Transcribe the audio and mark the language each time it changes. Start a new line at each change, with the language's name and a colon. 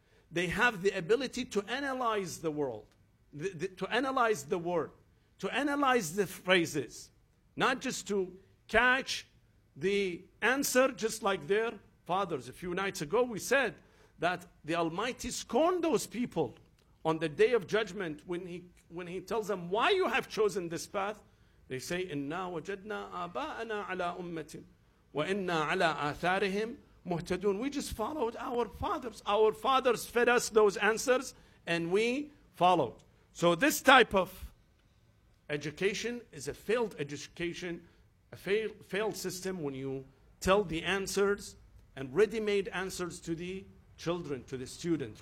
English: They have the ability to analyze the world, to analyze the word, to analyze the phrases. Not just to catch the answer, just like their fathers. A few nights ago, we said that the Almighty scorned those people on the Day of Judgment when he tells them, why you have chosen this path? They say,
Arabic: إِنَّا وَجَدْنَا آبَاءَنَا عَلَىٰ أُمَّةٍ وَإِنَّا عَلَىٰ آثَارِهِمْ مُهْتَدُونَ.
English: We just followed our fathers. Our fathers fed us those answers, and we followed. So this type of education is a failed education, a failed system when you tell the answers and ready-made answers to the children, to the students.